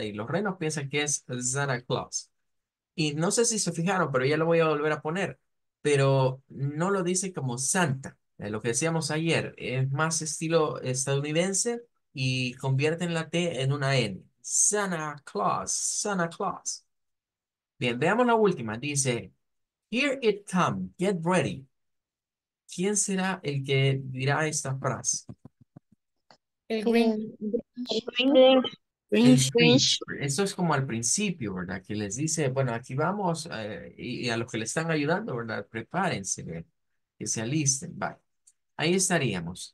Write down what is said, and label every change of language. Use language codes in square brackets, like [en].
[es] Y los renos piensan que es Santa Claus. Y no sé si se fijaron, pero ya lo voy a volver a poner. Pero no lo dice como Santa, lo que decíamos ayer, es más estilo estadounidense y convierten la T en una N. Santa Claus, Santa Claus. Bien, veamos la última. [en] Dice, Here it come, get ready. [es] ¿Quién será el que dirá esta frase? El Green. El Grinch. Grinch. Eso es como al principio, ¿verdad? Que les dice, bueno, aquí vamos, y a los que le están ayudando, ¿verdad? Prepárense, ¿verdad? Que se alisten. Vale. Ahí estaríamos.